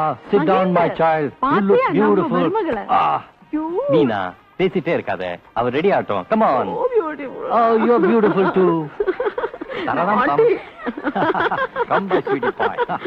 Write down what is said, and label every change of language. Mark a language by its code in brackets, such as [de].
[en] Sit down my child, you look beautiful. [ta] Meena பேசிட்டே இருக்காத, அவ ரெடி ஆட்டும், [en] come on. Oh, you are beautiful too. [ta] தரலாம் bomb, [en] come back sweetie pie.